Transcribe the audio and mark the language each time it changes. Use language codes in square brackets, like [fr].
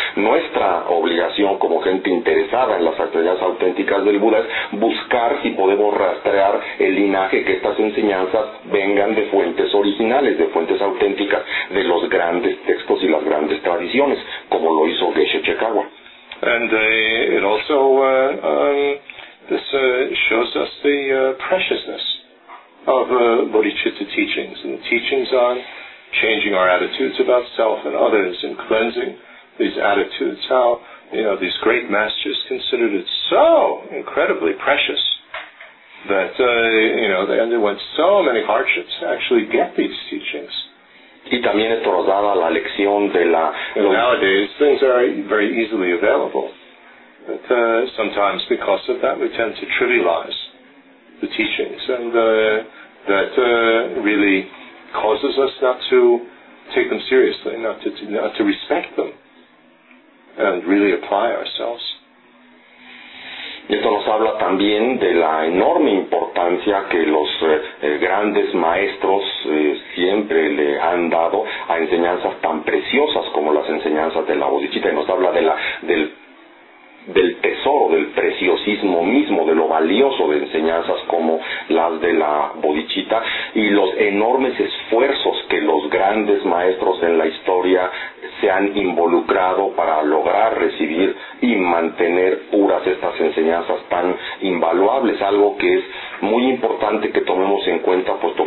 [es] Nuestra obligación como gente interesada en las enseñanzas auténticas del Buda es buscar si podemos rastrear el linaje, que estas enseñanzas vengan de fuentes originales, de fuentes auténticas, de los grandes textos y las grandes tradiciones, como lo hizo Geshe Chikawa. [en] And it also this shows us the preciousness of bodhicitta teachings, and the teachings on changing our attitudes about self and others and cleansing these attitudes, how, you know, these great masters considered it so incredibly precious that, you know, they underwent so many hardships to actually get these teachings. [es] Y también esto nos daba la lección de la... [en] And nowadays, things are very easily available. But sometimes, because of that, we tend to trivialize the teachings, and that really causes us not to take them seriously, not to respect them, and really apply ourselves. [es] Y esto nos habla también de la enorme importancia que los grandes maestros siempre le han dado a enseñanzas tan preciosas como las enseñanzas de la bodichitta, y nos habla del tesoro, del preciosismo mismo, de lo valioso de enseñanzas como las de la bodichitta, y los enormes esfuerzos que los grandes maestros en la historia se han involucrado para lograr recibir y mantener puras estas enseñanzas tan invaluables, algo que es muy importante que tomemos en cuenta, puesto